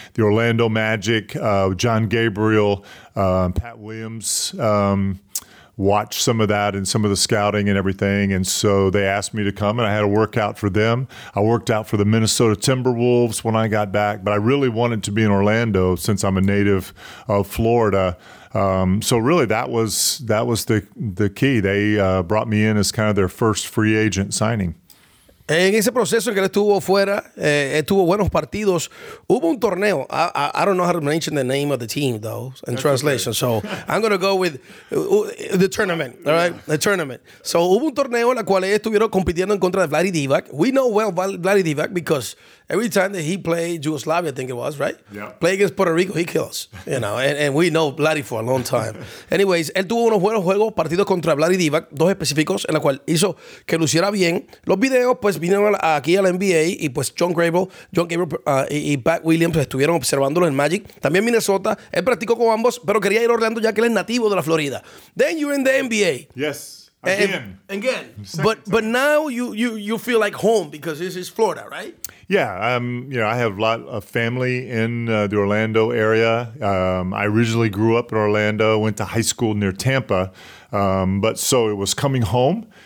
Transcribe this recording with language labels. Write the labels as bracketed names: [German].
[English] The Orlando Magic, John Gabriel, Pat Williams watched some of that and some of the scouting and everything, and so they asked me to come, and I had a workout for them. I worked out for the Minnesota Timberwolves when I got back, but I really wanted to be in Orlando since I'm a native of Florida. So really that was the key. They brought me in as kind of their first free agent signing. [Spanish] En ese proceso en que él estuvo fuera, tuvo buenos partidos. Hubo un torneo. [English] I don't know how to mention the name of the team, though, in That's translation. Okay. So I'm going to go with the tournament, all right? Yeah. The tournament. [Spanish] So hubo un torneo en el cual estuvieron compitiendo en contra de Vlade Divac. [English] We know well Vlade Divac because every time that he played Yugoslavia, I think it was, right? Yeah. Play against Puerto Rico, he kills, And we know Vlade for a long time. [Spanish] Anyways, él tuvo unos buenos juegos, partidos contra Vlade Divac, dos específicos, en la cual hizo que luciera bien. Los videos, pues vinieron aquí al NBA y pues John Gabriel y Pat Williams estuvieron observándolo en Magic. También Minnesota. Él practicó con ambos, pero quería ir a Orlando ya que él es nativo de la Florida. [English] Then you're in the NBA. Yes, again. Again. But now you feel like home because this is Florida, right? Yeah, I have a lot of family in the Orlando area. I originally grew up in Orlando, went to high school near Tampa. But so it was coming home.